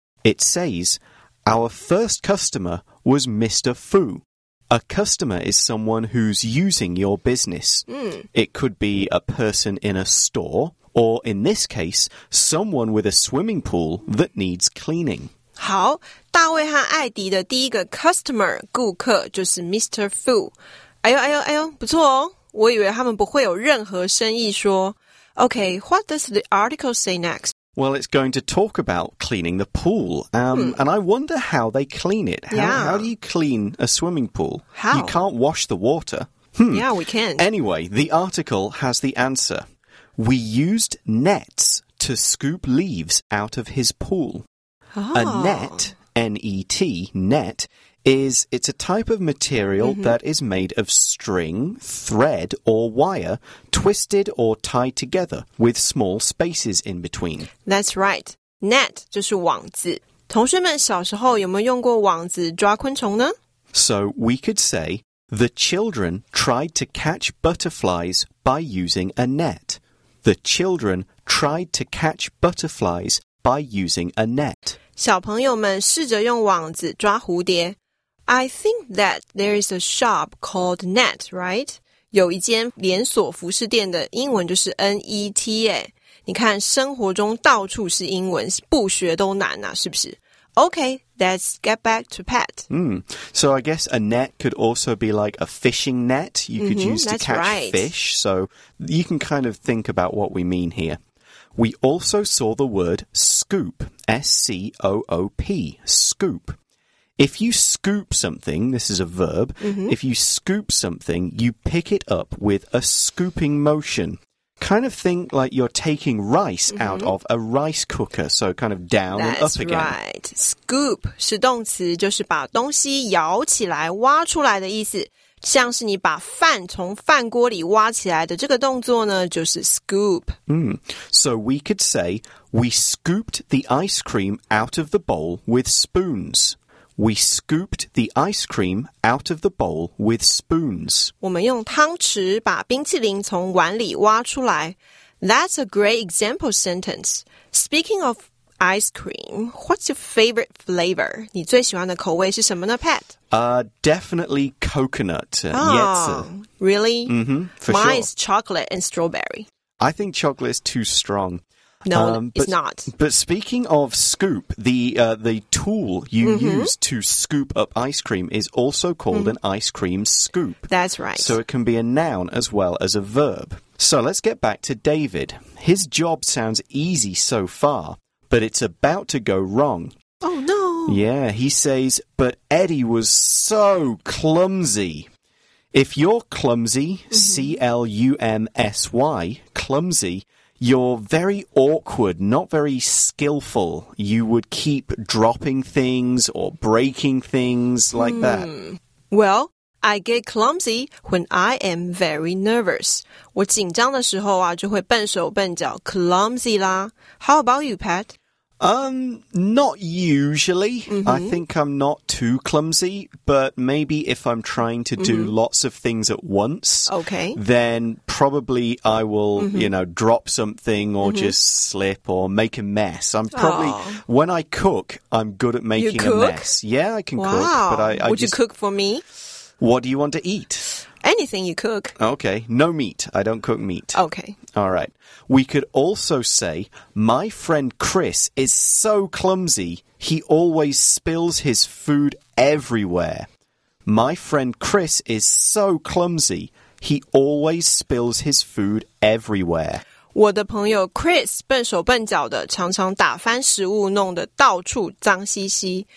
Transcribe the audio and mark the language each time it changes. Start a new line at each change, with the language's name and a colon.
English: It says, Our first customer was Mr. Fu. A customer is someone who's using your business. Mm. It could be a person in a store, or in this case, someone with a swimming pool that needs cleaning.
Chinese: 好，大卫和艾迪的第一个 customer 顾客就是 Mr. Fu. 哎呦哎呦哎呦，不错哦！我以为他们不会有任何生意说。
English: Okay, what does the article say next? Well, it's going to talk about cleaning the pool. And I wonder how they clean it. How do you clean a swimming pool? How? You can't wash the water. Yeah, we can. Anyway, the article has the answer. We used nets to scoop leaves out of his pool. Oh. A net, N-E-T, net, it's a type of material that is made of string, thread, or wire, twisted or tied together with small spaces in between. That's right. Net
Chinese: 就是网子。同学们小时候有没有用过网子抓昆虫呢?
English: So we could say, the children tried to catch butterflies by using a net. The children tried to catch butterflies by using a net.
Chinese: 小朋友们试着用网子抓蝴蝶。
English: I think that there is a shop called Net, right?
Chinese: 有一间连锁服饰店的英文就是 N-E-T 耶。你看生活中到处是英文，不学都难啊，是不是?
English: Okay, let's get back to Pat. So I guess a net could also be like a fishing net you could use to catch fish. So you can kind of think about what we mean here. We also saw the word scoop, S-C-O-O-P, scoop. If you scoop something, this is a verb, if you scoop something, you pick it up with a scooping motion. Kind of think like you're taking rice out of a rice cooker, so kind of down and up again. That's right.
Chinese: Scoop 是动词，就是把东西摇起来、挖出来的意思。像是你把饭从饭锅里挖起来的这个动作呢，就是 scoop.
English: So we could say, we scooped the ice cream out of the bowl with spoons. We scooped the ice cream out of the bowl with spoons.
Chinese: 我们用汤匙把冰淇淋从碗里挖出来。
English: That's a great example sentence. Speaking of ice cream, what's your favorite flavor?
Chinese: 你最喜欢的口味是什么呢, Pat?
English: Definitely coconut. Really? Mine is chocolate and strawberry. I think chocolate is too strong. No, it's not. But speaking of scoop, the tool you use to scoop up ice cream is also called an ice cream scoop. That's right. So it can be a noun as well as a verb. So let's get back to David. His job sounds easy so far, but it's about to go wrong. Oh, no. Yeah, he says, but Eddie was so clumsy. If you're clumsy, C-L-U-M-S-Y, clumsy,You're very awkward, not very skillful. You would keep dropping things or breaking things like that. Well, I get clumsy when I am very nervous.
Chinese: 我紧张的时候啊，就会笨手笨脚 clumsy 啦。
English: How about you, Pat? Not usually. I think I'm not too clumsy, but maybe if I'm trying to do lots of things at once, then probably I will, you know, drop something or just slip or make a mess. I'm probably, when I cook, I'm good at making a mess. Yeah, I can cook. But Would you cook for me? What do you want to eat? Anything you cook. Okay, no meat. I don't cook meat. Okay. All right. We could also say, my friend Chris is so clumsy, he always spills his food everywhere. My friend Chris is so clumsy, he always spills his food everywhere.
Chinese: 我的朋友 Chris 笨手笨脚的常常打翻食物弄得到处脏兮兮。